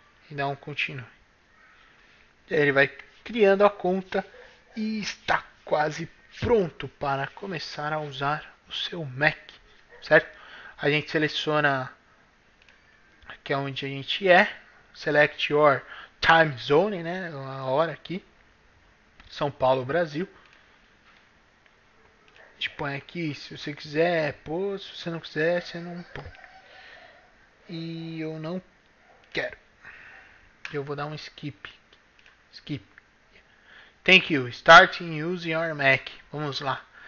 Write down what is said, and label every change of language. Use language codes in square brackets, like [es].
[pt] E dá um continue. E aí ele vai criando a conta e está quase pronto para começar a usar o seu Mac. Certo? A gente seleciona aqui onde a gente é. [en] Select your time zone, né? [pt] A hora aqui. São Paulo, Brasil. A gente põe aqui, se você quiser, pô, se você não quiser, você não põe. E eu não quero. Eu vou dar um skip. Skip. [en] Thank you. Starting using your Mac. [pt] Vamos lá.